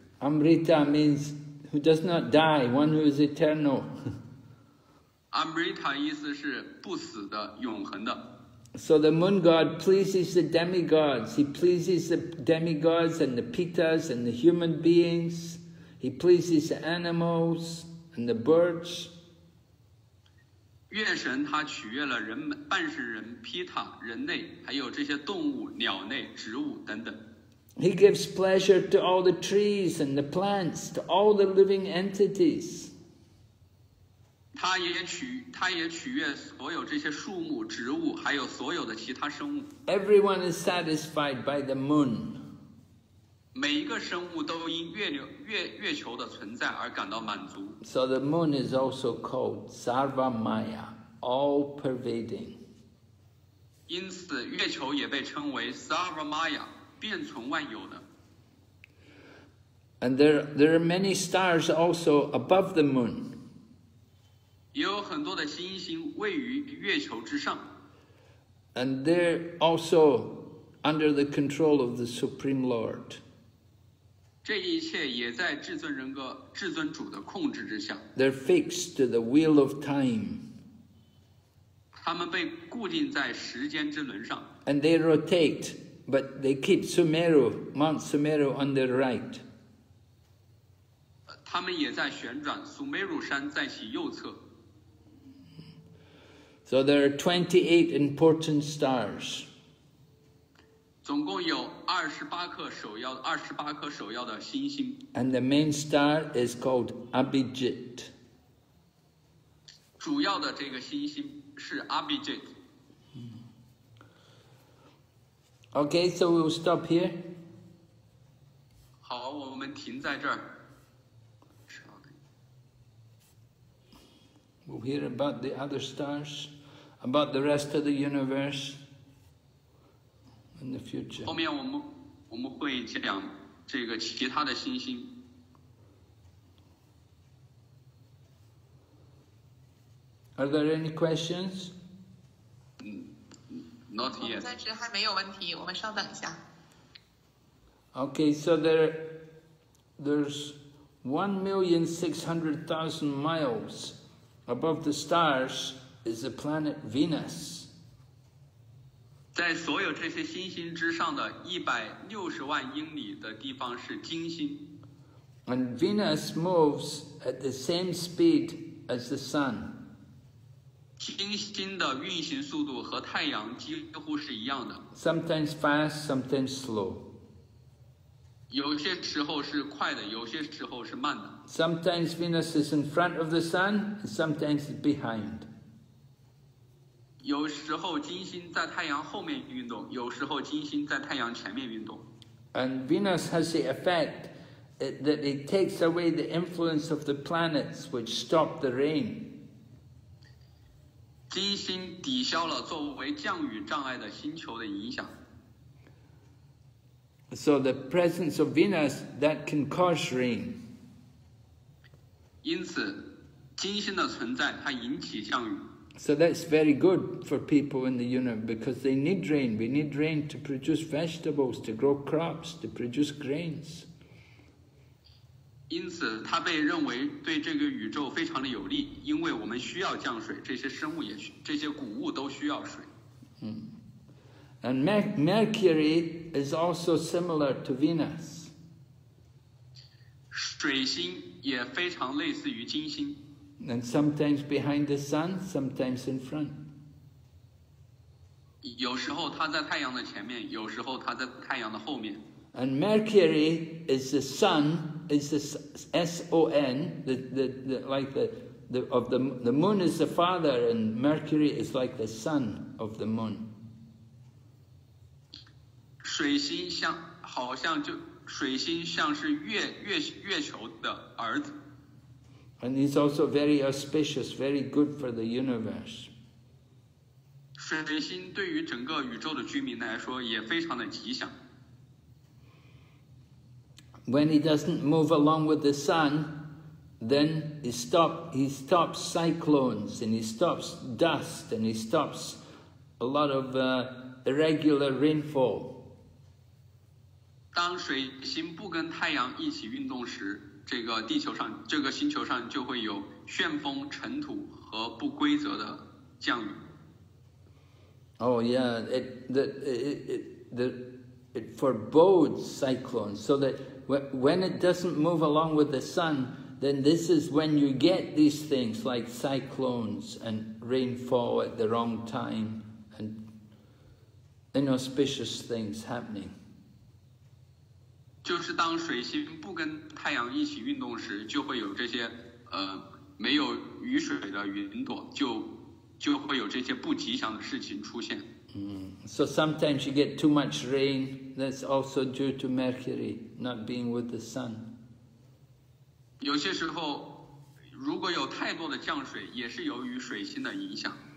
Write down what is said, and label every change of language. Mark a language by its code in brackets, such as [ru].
[en] Amrita means who does not die, one who is eternal. [zh] Amrita 意思是不死的，永恒的。 [en] So the moon god pleases the demigods. He pleases the demigods and the pitas and the human beings. He pleases the animals and the birds. [zh] 月神他取悦了人们、半神人、pita、人类，还有这些动物、鸟类、植物等等。 [en] He gives pleasure to all the trees and the plants, to all the living entities. [zh] 他也取悦所有这些树木、植物，还有所有的其他生物。 [en] Everyone is satisfied by the moon. [zh] 每一个生物都因月球的存在而感到满足。 [en] So the moon is also called Sarvamaya, all-pervading. [zh] 因此，月球也被称为 Sarvamaya, 遍存万有的。 [en] And there are many stars also above the moon. [zh] 也有很多的星星位于月球之上。 [en] And they're also under the control of the Supreme Lord. [zh] 这一切也在至尊人格、至尊主的控制之下。 [en] They're fixed to the wheel of time. [zh] 他们被固定在时间之轮上。 [en] And they rotate, but they keep Mount Sumeru on their right. [zh] 他们也在旋转，苏梅鲁山在其右侧。 [en] So there are 28 important stars. [zh] 总共有28颗首要的星星。 [en] And the main star is called Abhijit. [zh] 主要的这个星星是 Abhijit. [en] Okay, so we'll stop here. [zh] 好，我们停在这儿。 [en] We'll hear about the other stars. About the rest of the universe in the future. [zh] 后面我们会讲这个其他的星星。 [en] Are there any questions? Not yet. [zh] 我们暂时还没有问题，我们稍等一下。 [en] Okay, so there's 1,600,000 miles above the stars. Is the planet Venus? [zh] 在所有这些星星之上的160万英里的地方是金星。 [en] And Venus moves at the same speed as the sun. [zh] 金星的运行速度和太阳几乎是一样的。 [en] Sometimes fast, sometimes slow. [zh] 有些时候是快的，有些时候是慢的。 [en] Sometimes Venus is in front of the sun, sometimes behind. [zh] 有时候金星在太阳后面运动，有时候金星在太阳前面运动。 [en] And Venus has the effect that it takes away the influence of the planets which stop the rain. [zh] 金星抵消了作为降雨障碍的星球的影响。 [en] So the presence of Venus that can cause rain. [zh] 因此，金星的存在它引起降雨。 [en] So that's very good for people in the universe because they need rain. We need rain to produce vegetables, to grow crops, to produce grains. [zh] 因此，它被认为对这个宇宙非常的有利，因为我们需要降水，这些生物也需，这些谷物都需要水。 [en] And Mercury is also similar to Venus. [zh] 水星也非常类似于金星。 [en] And sometimes behind the sun, sometimes in front. [zh] 有时候它在太阳的前面，有时候它在太阳的后面。 [en] And Mercury is the sun, is the S-O-N, the moon is the father, and Mercury is like the sun of the moon. [zh] 水星像好像就水星像是月球的儿子。 [en] And it's also very auspicious, very good for the universe. [zh] 水星对于整个宇宙的居民来说也非常的吉祥。 [en] When he doesn't move along with the sun, then he stops cyclones, and he stops dust, and he stops a lot of irregular rainfall. [zh] 当水星不跟太阳一起运动时，这个地球上，这个星球上就会有旋风、尘土和不规则的降雨。 [en] Oh yeah, it forebodes cyclones, so that. When it doesn't move along with the sun, then this is when you get these things like cyclones and rainfall at the wrong time and inauspicious things happening. [zh] 就是当水星不跟太阳一起运动时，就会有这些没有雨水的云朵，就会有这些不吉祥的事情出现。 [en] So sometimes you get too much rain. That's also due to Mercury not being with the sun. [zh] 有些时候，如果有太多的降水，也是由于水星的影响。